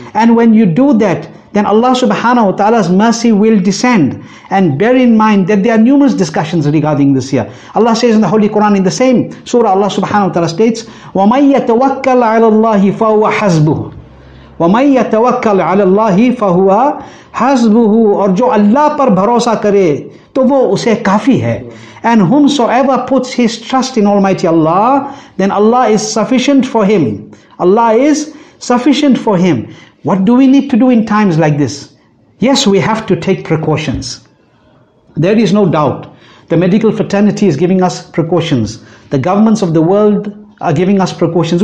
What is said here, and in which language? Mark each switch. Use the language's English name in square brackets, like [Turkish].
[English] And when you do that, then Allah subhanahu wa ta'ala's mercy will descend. And bear in mind that there are numerous discussions regarding this here. Allah says in the Holy Quran, in the same surah, Allah subhanahu wa ta'ala states, وَمَنْ يَتَوَكَّلْ عَلَى اللَّهِ فَهُوَ حَزْبُهُ. [Arabic] وَمَنْ يَتَوَكَّلْ عَلَى اللَّهِ فَهُوَ حَزْبُهُ. [Urdu] اور جو اللہ پر بھروسہ کرے تو وہ اسے کافی ہے. [English] And whomsoever puts his trust in Almighty Allah, then Allah is sufficient for him. Allah is sufficient for him. What do we need to do in times like this? Yes, we have to take precautions. There is no doubt. The medical fraternity is giving us precautions. The governments of the world are giving us precautions.